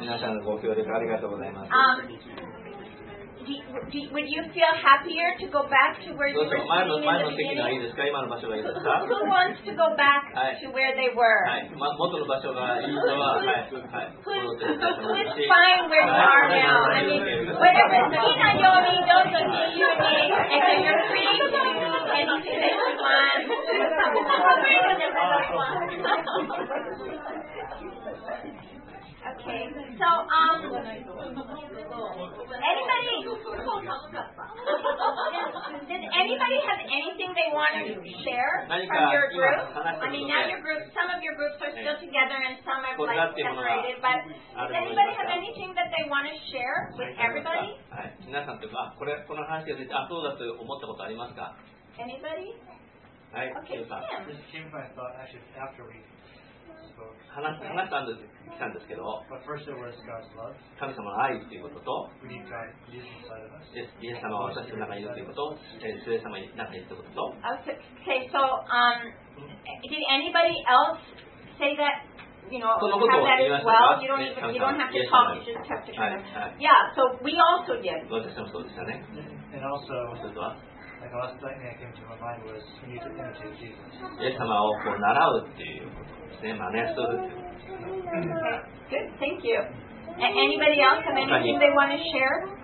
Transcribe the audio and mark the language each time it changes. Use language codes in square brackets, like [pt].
[ja] 皆さんのご協力ありがとうございます。 [en] Would you feel happier to go back to where you were sitting in the beginning? [ja] 前の席がいいですか。今の場所がいいですか。 [en] Who wants to go back to where they were? [ja] はい。元の場所がいい人は、はい。 [en] Who's fine where you are now? I mean, whatever [ja] 好きな曜日、どうぞ自由に。 [en] And then you're free to do anything that you want. I'm free to do whatever you want. Okay, so, Anybody? Does anybody have anything they want to share from your group? I mean, now your group, some of your groups are still together and some are like separated, but does anybody have anything that they want to share with everybody? [ja] 皆さんとか、これ、この話が出て、あ、そうだと思ったことありますか? [en] Anybody? [ja] はい、 [en] okay, Kim. This came from my thought actually after we... [ja] 話したんです、来たんですけど神様の愛っていうことと、イエス様は私の中にいるということ、聖霊様に中にいるということと、 [en] okay, so, did anybody else say that, you know, [ja] そのことを言いましたか? [en] You don't have to talk, you just have to kind of... Yeah, so we also did. [ja] 私もそうでしたね。 [en] And also, [ja] イエス様をこう習うっていうことですね。真似するっていうことですね。 [en] Good, thank you. Anybody else have anything they want to share?